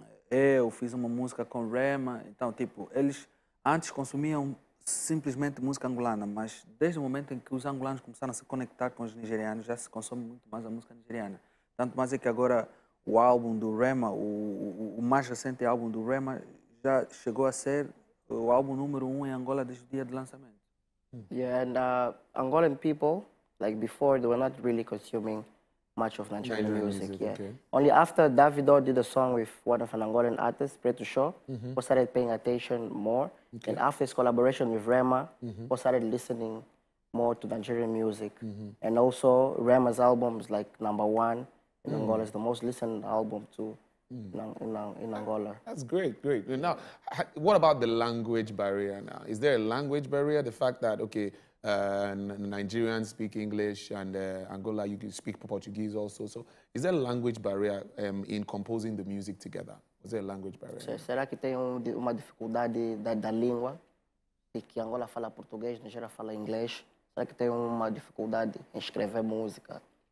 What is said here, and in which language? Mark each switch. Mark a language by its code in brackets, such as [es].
[pt] Eu fiz uma música com Rema. Então, tipo, eles antes consumiam simplesmente música angolana, mas desde o momento em que os angolanos começaram a se conectar com os nigerianos, já se consome muito mais a música nigeriana. Tanto mais é que agora o álbum do Rema, o mais recente álbum do Rema, já chegou a ser o álbum número um em Angola desde o dia de lançamento. [en] Yeah, and Angolan people, like before, they were not really consuming much of Nigerian music. Yeah. Okay. Only after Davido did a song with one of an Angolan artist, Preto Show, people started paying attention more. Okay. And after his collaboration with Rema, people started listening more to Nigerian music. And also, Rema's album is like number one in Angola. It's the most listened album too in Angola. That's great. Now, what about the language barrier now? Is there a language barrier? The fact that, okay, Nigerians speak English and Angola, you can speak Portuguese also. So, is there a language barrier in composing the music together? Is there a language barrier? [pt] Será que tem uma dificuldade da língua? E que Angola fala português, Nigeria fala inglês. Será que tem uma dificuldade em escrever música?